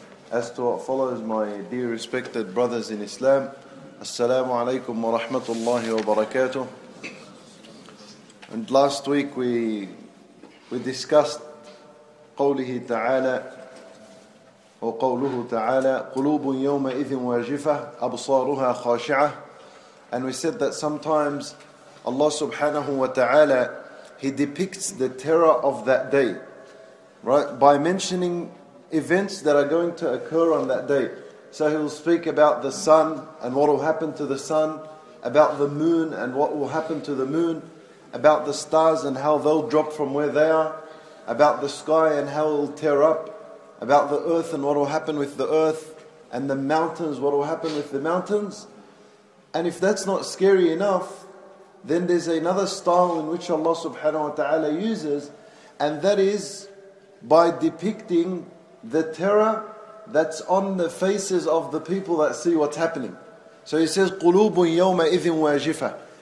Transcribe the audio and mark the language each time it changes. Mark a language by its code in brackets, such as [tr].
[en] As to what follows, my dear respected brothers in Islam, [ar] Assalamu alaikum wa rahmatullahi wa barakatuh. [en] And last week we discussed [ar] قوله تعالى أو قوله تعالى قلوب يومئذ واجفة أبصارها خاشعة. [en] And we said that sometimes Allah subhanahu wa ta'ala, He depicts the terror of that day, right? By mentioning events that are going to occur on that day. So He will speak about the sun and what will happen to the sun, about the moon and what will happen to the moon, about the stars and how they'll drop from where they are, about the sky and how it'll tear up, about the earth and what will happen with the earth, and the mountains, what will happen with the mountains. And if that's not scary enough, then there's another style in which Allah subhanahu wa ta'ala uses, and that is by depicting the terror that's on the faces of the people that see what's happening. So He says, [ar] قُلُوبٌ يَوْمَ إِذٍ وَاجِفَةٌ.